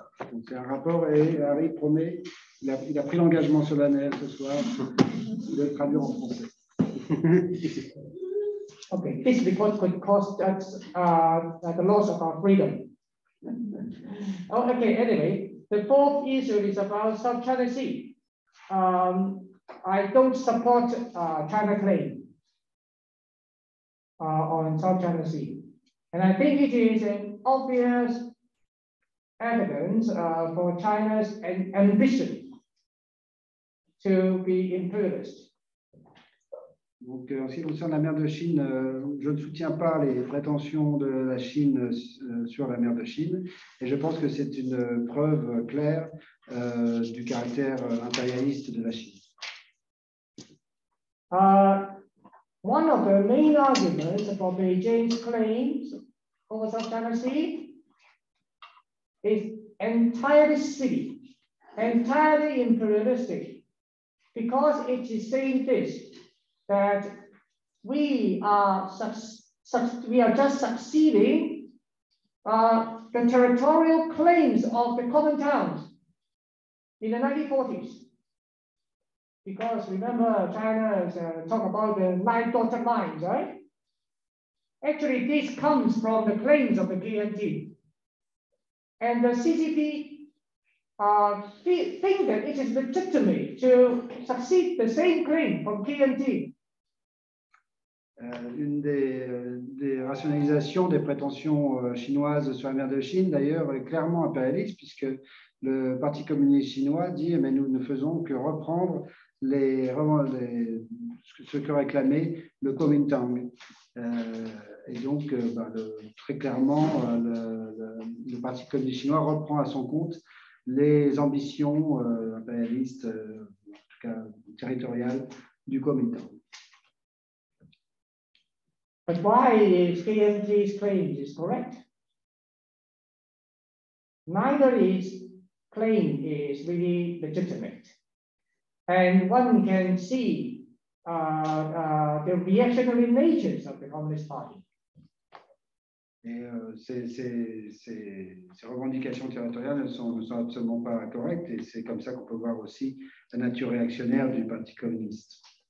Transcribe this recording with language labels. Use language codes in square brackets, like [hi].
[fr] Donc c'est un rapport et Harry promet, il a pris l'engagement solennel ce soir de le traduire en français. [en] Okay, this report could cost us the loss of our freedom. Okay, anyway, the fourth issue is about South China Sea. I don't support China claim on South China Sea, and I think it is an obvious evidence for China's ambition to be imperialist. [fr] Donc, en ce qui concerne la mer de Chine, je ne soutiens pas les prétentions de la Chine sur la mer de Chine, et je pense que c'est une preuve claire du caractère impérialiste de la Chine. [en] One of the main arguments for Beijing's claims over the China Sea is entirely silly, entirely imperialistic, because it is saying this, that we are just succeeding the territorial claims of the common towns in the 1940s. Because remember, China talk about the nine dotted lines, right? Actually, this comes from the claims of the KMT. And the CCP think that it is legitimate to succeed the same claim from KMT. [fr] Une des rationalisations des prétentions chinoises sur la mer de Chine, d'ailleurs, est clairement impérialiste, puisque le Parti communiste chinois dit mais nous ne faisons que reprendre ce que réclamait le Kuomintang. Et donc, très clairement, le Parti communiste chinois reprend à son compte les ambitions impérialistes, en tout cas territoriales, du Kuomintang. [en] But why is KMT's claims correct? Neither his claim is really legitimate. And one can see the reactionary natures of the Communist Party. [fr] Et ces revendications territoriales ne sont absolument pas correctes, et c'est comme ça qu'on peut voir aussi la nature réactionnaire du Parti communiste.